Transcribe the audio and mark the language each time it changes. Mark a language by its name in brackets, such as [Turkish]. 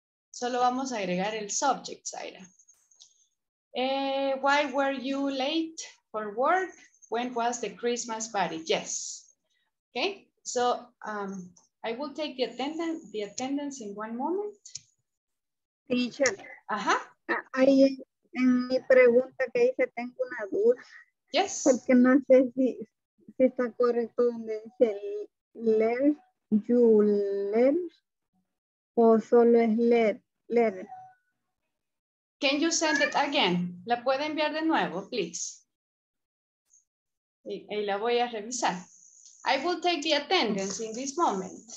[Spanish] Solo vamos a agregar el subject, Zaira. [English] Why were you late for work? When was the Christmas party? Yes. Okay, so I will take the attendance in one moment. Teacher. [Spanish] Ajá. Ahí en mi pregunta que hice tengo una duda. [English] Yes. [Spanish] Porque no sé si está correcto donde dice let you let o solo es let. [English] Can you send it again? [Spanish] ¿La puede enviar de nuevo, please? Y la voy a revisar. [English] I will take the attendance in this moment.